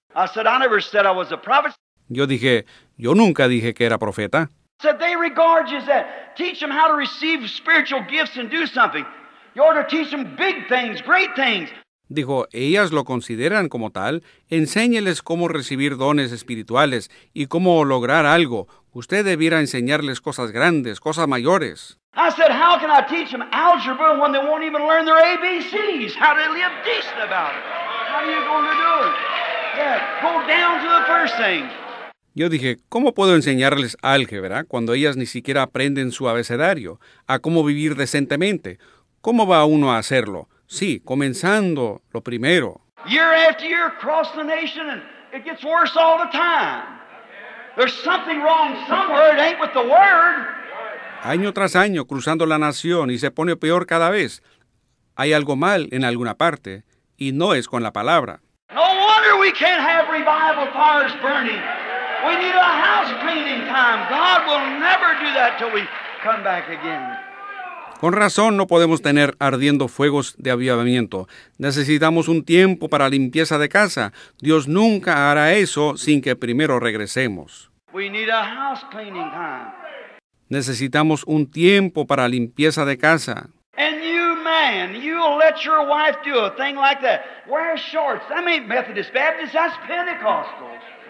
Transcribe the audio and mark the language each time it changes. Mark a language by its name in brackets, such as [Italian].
[English] I said, I never said I was a prophet. [Spanish] Yo dije, yo nunca dije que era profeta. [English] Said they regard you as that. Teach them how to receive spiritual gifts and do something. You ought to teach them big things, great things. [Spanish] Dijo, ellas lo consideran como tal. Enséñeles cómo recibir dones espirituales y cómo lograr algo. Usted debiera enseñarles cosas grandes, cosas mayores. [English] I said, how can I teach them algebra when they won't even learn their ABCs? How to live decent about it? How are you going to do it? Yeah, go down to the first thing. [Spanish] Yo dije, ¿cómo puedo enseñarles álgebra cuando ellas ni siquiera aprenden su abecedario? ¿A cómo vivir decentemente? ¿Cómo va uno a hacerlo? Sí, comenzando lo primero. [English] Year after year across the nation and it gets worse all the time. There's something wrong somewhere. It ain't with the word. [Spanish] Año tras año cruzando la nación y se pone peor cada vez. Hay algo mal en alguna parte y no es con la palabra. [English] No wonder we can't have revival fires burning. We need a house cleaning time. God will never do that till we come back again. [Spanish] Con razón no podemos tener ardiendo fuegos de avivamiento. Necesitamos un tiempo para limpieza de casa. Dios nunca hará eso sin que primero regresemos. [English] We need a house cleaning time. [Spanish] Necesitamos un tiempo para limpieza de casa. [English] And you man, you'll let your wife do a thing like that. Wear shorts. That ain't Methodist, Baptist, that's Pentecostals.